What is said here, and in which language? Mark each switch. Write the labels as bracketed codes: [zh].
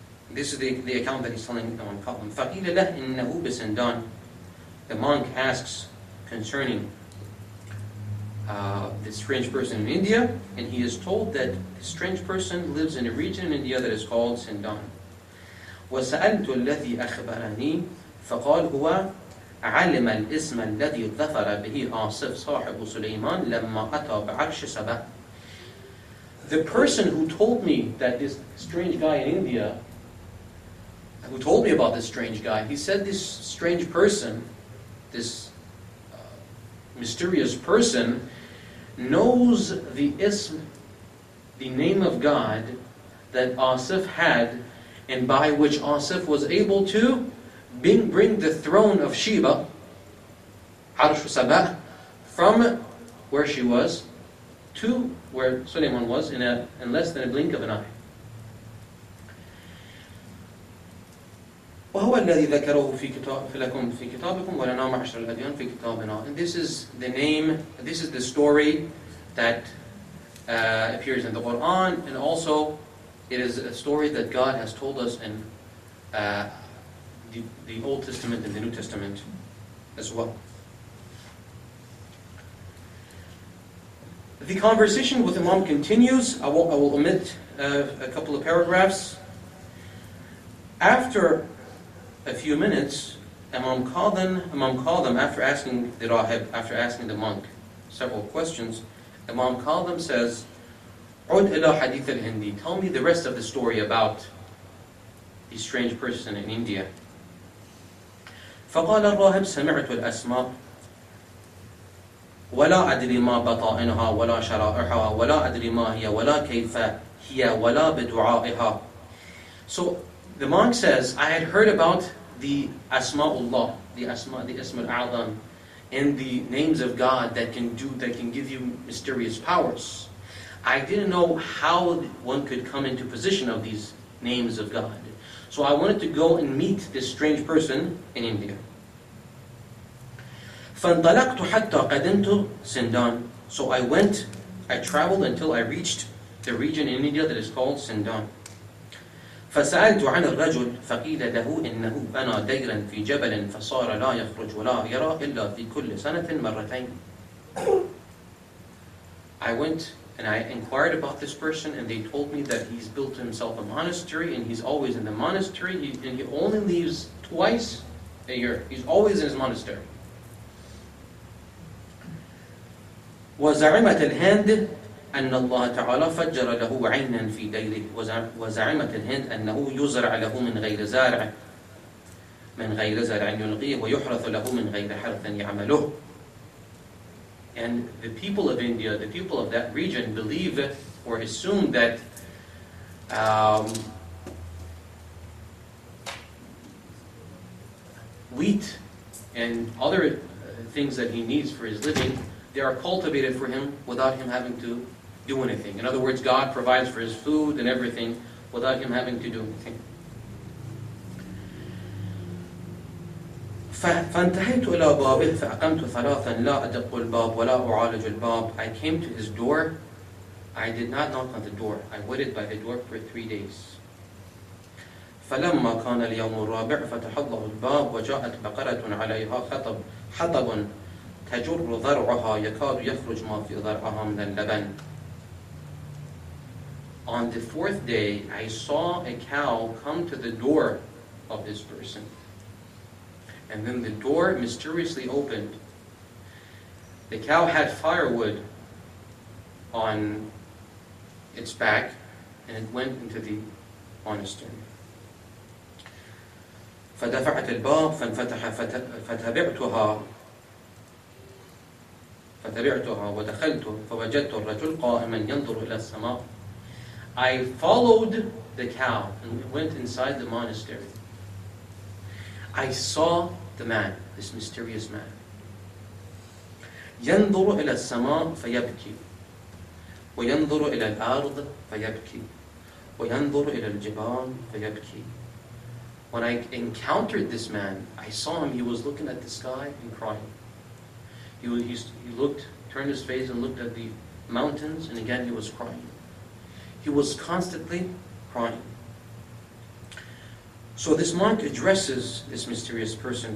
[en] This is the account that he's telling Imam Qasim. [ar] فقيل له إنه بسندان. [en] The monk asks concerning this strange person in India, and he is told that this strange person lives in a region in India that is called Sindan. [ar] وسألت الذي أخبرني فقال هو علم الاسم الذي ظفر به عاصف صاحب سليمان لما أتى بعرش سبا. [en] The person who told me that this strange guy in India, who told me about this strange guy, he said this strange person, this mysterious person, knows the ism, the name of God that Asif had, and by which Asif was able to bring the throne of Sheba [ar] عرش سبا, [en] from where she was to where Suleiman was in less than a blink of an eye. [ar] وهو الذي ذكره في كتاب لكم في كتابكم ولنا معشر الأديان في كتابنا. [en] And this is the name, this is the story that appears in the Quran, and also it is a story that God has told us in the Old Testament and the New Testament as well. The conversation with Imam continues. I will omit a couple of paragraphs. After a few minutes, Imam called them after asking the rahib, after asking the monk several questions. Imam called them, says, [ar] "Ud ila hadith al-Hindi. [en] Tell me the rest of the story about the strange person in India." [ar] فقال الراهب سمعت الأسماء ولا أدري ما بطائنها ولا شرائحها ولا أدري ما هي ولا كيف هي ولا بدعائها. [en] So the monk says, I had heard about the Asma'ullah, the Asma al-A'zam, and the names of God that can give you mysterious powers. I didn't know how one could come into possession of these names of God. So I wanted to go and meet this strange person in India. [ar] فانطلقت حتى قدمت سندان. [en] So I went, I traveled until I reached the region in India that is called Sindan. [ar] فسألت عن الرجل فقيل له إنه بنى ديرا في جبل فصار لا يخرج ولا يرى إلا في كل سنة مرتين. [en] I went and I inquired about this person, and they told me that he's built himself a monastery and he's always in the monastery and he only leaves twice a year. He's always in his monastery. [ar] وزعمت الهند أن الله تعالى فجر له عينا في ديره وزعمت الهند أنه يزرع له من غير زارع من غير زارع يلقيه ويحرث له من غير حرث يعمله. [en] And the people of India, the people of that region, believe or assume that wheat and other things that he needs for his living, they are cultivated for him without him having to do anything. In other words, God provides for his food and everything without him having to do anything. [ar] فانتهيت إلى بابه فأقمت ثلاثا لا أدق الباب ولا أعالج الباب. [en] I came to his door. I did not knock on the door. I waited by the door for 3 days. [ar] فلما كان اليوم الرابع فتح الله الباب وجاءت بقرة عليها حطب تجر ذرعها يكاد يخرج ما في ذرعها من اللبن. [en] On the fourth day, I saw a cow come to the door of this person. And then the door mysteriously opened. The cow had firewood on its back, and it went into the monastery. [ar] فدفعت الباب فانفتح فتبعتها فتبعتها ودخلت فوجدت الرجل قائما ينظر إلى السماء. [en] I followed the cow and went inside the monastery. I saw the man, this mysterious man. [ar] ينظر إلى السماء فيبكي وينظر إلى الأرض فيبكي وينظر إلى الجبال فيبكي. [en] When I encountered this man, I saw him, he was looking at the sky and crying. He looked, turned his face and looked at the mountains, and again he was crying. He was constantly crying. So this monk addresses this mysterious person.